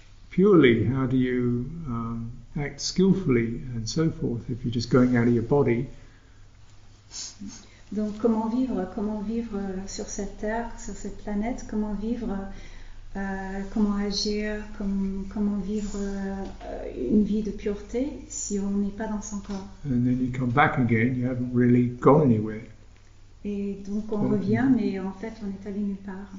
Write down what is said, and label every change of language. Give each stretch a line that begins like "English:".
English: Purely, how do you act skillfully and so forth if you're just going out of your body?
French: Donc comment vivre sur cette terre, sur cette planète, comment vivre, comment agir, comment vivre une vie de pureté si on n'est pas dans son corps?
English: And then you come back again, you haven't really gone anywhere.
French: Et donc on revient, mais en fait on est allé nulle part.